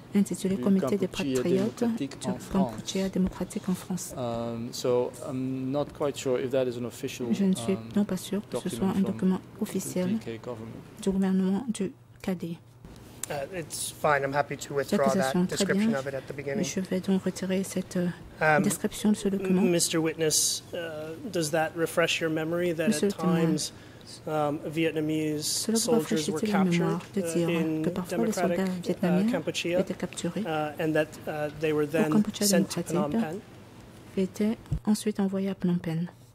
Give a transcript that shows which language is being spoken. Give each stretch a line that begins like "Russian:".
French: Intitulé Comité des Patriotes du Cambodge démocratique en France.
English: So I'm not quite sure if that is an official.
French: Je ne suis non pas sûr que ce soit un document officiel du gouvernement du KD.
English: It's fine. I'm happy to withdraw that description of it at the beginning.
French: Je vais donc retirer cette description de ce document.
English: Mr. Witness, does that refresh your memory that
French: Monsieur
English: at times Vietnamese soldiers were captured in democratic Kampuchea and that they were then sent to Phnom Penh?
French: Étaient ensuite envoyés à Phnom Penh.